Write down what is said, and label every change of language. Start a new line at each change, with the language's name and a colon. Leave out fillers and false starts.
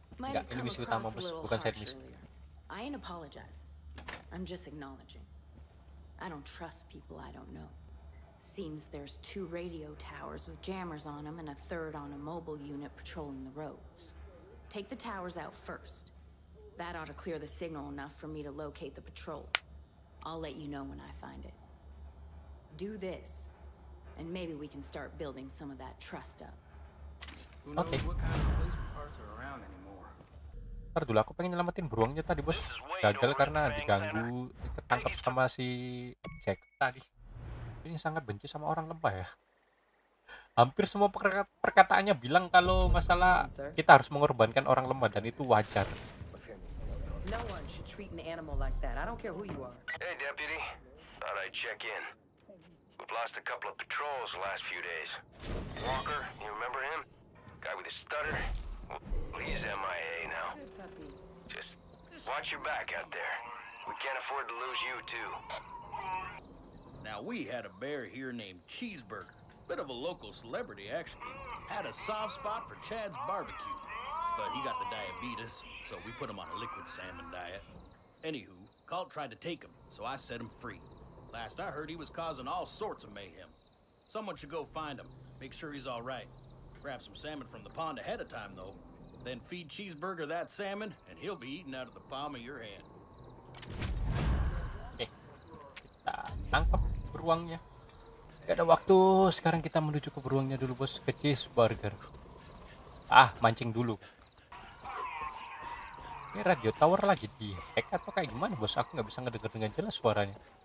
Indonesian: Enggak, ini misi utama bos, bukan side misi.
English: I ain't apologizing. I'm just acknowledging. I don't trust people I don't know. Seems there's two radio towers with jammers on them and a third on a mobile unit patrolling the roads. Take the towers out first. That ought to clear the signal enough for me to locate the patrol. I'll let you know when I find it. Do this, and maybe we can start building some of that trust up. Who knows what kind of police parts are around anymore?
Indonesian: Ntar dulu aku pengen nyelamatin beruangnya tadi bos, gagal karena diganggu ketangkep sama si Jack tadi. Ini sangat benci sama orang lembah ya. Hampir semua perkataannya bilang kalau masalah kita harus mengorbankan orang lembah dan itu wajar.
English: No one should treat an animal like that. I don't care who you are. Hey deputy, thought I'd check in. We've lost a couple of patrols the last few days. Walker, you remember him? Guy with the stutter. He's MIA now. Just watch your back out there. We can't afford to lose you too. Now we had a bear here named Cheeseburger. Bit of a local celebrity actually. Had a soft spot for Chad's barbecue. But he got the diabetes, so we put him on a liquid salmon diet. Anywho, Colt tried to take him, so I set him free. Last I heard he was causing all sorts of mayhem. Someone should go find him, make sure he's all right. Grab some salmon from the pond ahead of time, though. Then feed Cheeseburger that salmon, and he'll be eating out of the palm of your hand.
Indonesian: Oke, kita tangkap beruangnya. Gak ada waktu, sekarang kita menuju ke beruangnya dulu, bos. Ke Cheeseburger. Ah, mancing dulu. Ini radio tower lagi di hack atau kayak gimana, bos? Aku gak bisa ngedenger dengan jelas suaranya.